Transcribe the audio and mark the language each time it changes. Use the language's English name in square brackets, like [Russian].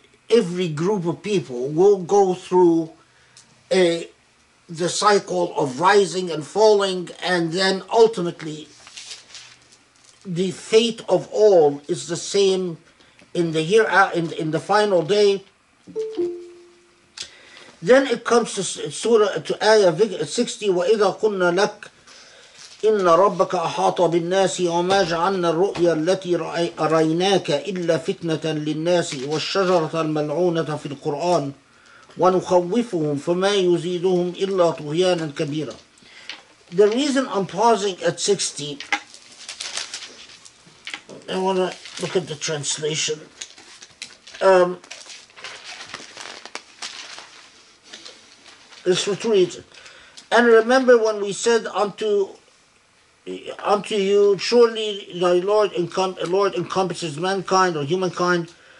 [English] every group of people will go through the cycle of rising and falling, and then ultimately the fate of all is the same in the year, in the final day. Then it comes to surah, to ayah 60, [Arabic] وَإِذَا قُلْنَا لَكْ إِنَّ رَبَّكَ أَحَاطَ بِالنَّاسِ وَمَا جَعَلْنَا الرُّؤْيَا الَّتِي رَيْنَاكَ إِلَّا فِتْنَةً لِلنَّاسِ وَالشَّجَرَةَ الْمَلْعُونَةَ فِي الْقُرْآنِ وَنُخَوِّفُهُمْ فَمَا يُزِيدُهُمْ إِلَّا طُغْيَانًا كَبِيرًا. [English] The reason I'm pausing at 60, I want to look at the translation. This for two reasons. And remember when we said unto you, surely thy Lord encompasses mankind or humankind.